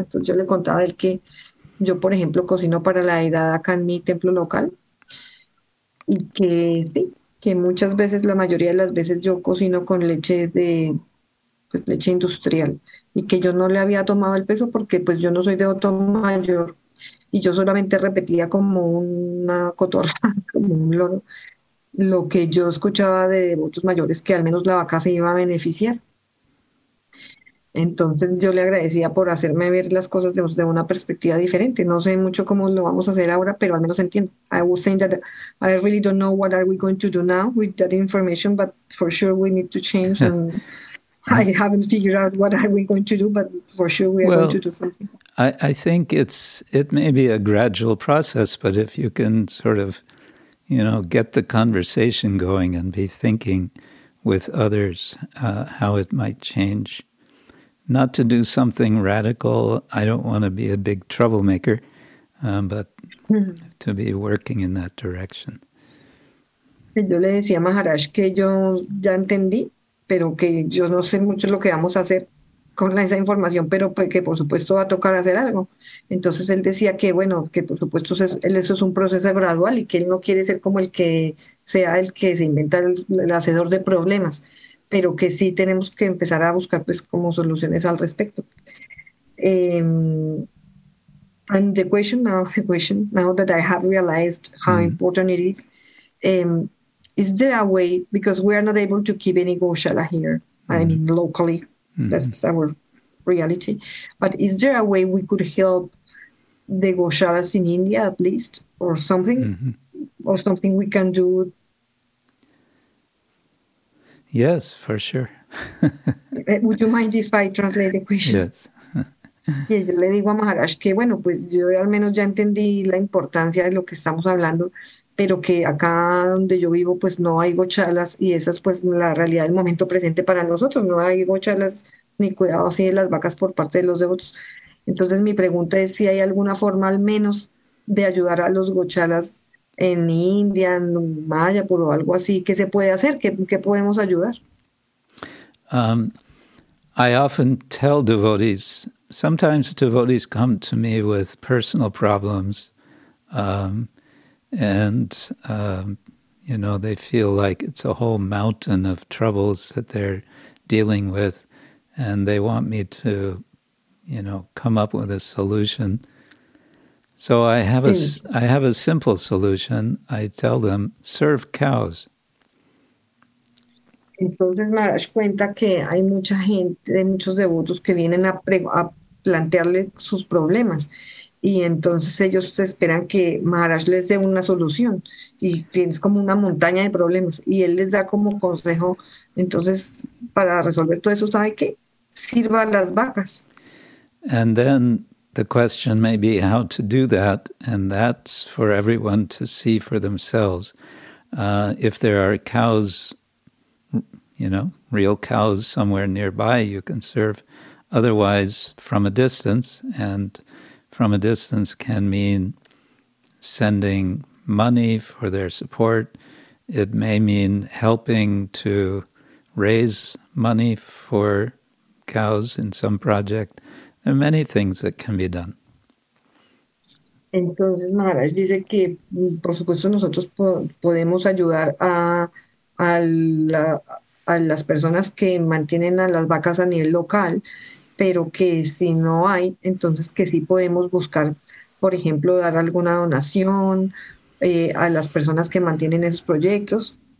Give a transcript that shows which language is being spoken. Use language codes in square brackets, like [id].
[es] Entonces yo le contaba del que yo, por ejemplo, cocino para la deidad acá en mi templo local y que sí, que muchas veces, la mayoría de las veces yo cocino con leche de pues leche industrial y que yo no le había tomado el peso porque pues yo no soy de Otón Mayor y yo solamente repetía como una cotorra, como un loro, lo que yo escuchaba de devotos mayores, que al menos la vaca se iba a beneficiar. Entonces yo le agradecía por hacerme ver las cosas de una perspectiva diferente. No sé mucho cómo lo vamos a hacer ahora, pero al menos entiendo. [en] I was saying that I really don't know what are we going to do now with that information, but for sure we need to change. And I haven't figured out what are we going to do, but for sure we are going to do something. I think it may be a gradual process, but if you can sort of, you know, get the conversation going and be thinking with others how it might change. Not to do something radical. I don't want to be a big troublemaker, but to be working in that direction. [es] Yo le decía a Maharaj que yo ya entendí, pero que yo no sé mucho lo que vamos a hacer con esa información, pero que por supuesto va a tocar hacer algo. Entonces él decía que, bueno, que por supuesto eso es un proceso gradual y que él no quiere ser como el que sea el que se inventa el hacedor de problemas, pero que sí tenemos que empezar a buscar pues como soluciones al respecto. [en] And the question now that I have realized how mm-hmm. important it is there a way, because we are not able to keep any goshala here, mm-hmm. I mean locally, mm-hmm. that's our reality, but is there a way we could help the goshalas in India at least, or something, mm-hmm. or something we can do? Yes, for sure. Would you mind if I translate the question? Yes. [es] Y yo le digo a Maharaj que, bueno, pues yo al menos ya entendí la importancia de lo que estamos hablando, pero que acá donde yo vivo, pues no hay gochalas y esa es pues la realidad del momento presente para nosotros. No hay gochalas ni cuidado así de las vacas por parte de los devotos. Entonces mi pregunta es si hay alguna forma al menos de ayudar a los gochalas en India, en Maya, por algo así, ¿qué se puede hacer? ¿Qué podemos ayudar? [en] I often tell devotees, sometimes devotees come to me with personal problems and they feel like it's a whole mountain of troubles that they're dealing with and they want me to, you know, come up with a solution. So I have a simple solution. I tell them, serve cows. [es] Entonces Maharaj cuenta que hay mucha gente, hay muchos devotos que vienen a plantearle sus problemas. Y entonces ellos esperan que Maharaj les dé una solución. Y tienes como una montaña de problemas. Y él les da como consejo, entonces, para resolver todo eso, ¿sabe qué? Sirva a las vacas. [en] And then the question may be how to do that, and that's for everyone to see for themselves. If there are cows, you know, real cows somewhere nearby, you can serve. Otherwise, from a distance, and from a distance can mean sending money for their support. It may mean helping to raise money for cows in some project. There are many things that can be done. [es] Entonces, Maharaj dice que, por supuesto, nosotros podemos ayudar a las personas que mantienen a las vacas a nivel local, pero que si no hay, entonces que sí podemos buscar, por ejemplo, dar alguna donación a las personas que mantienen esos proyectos.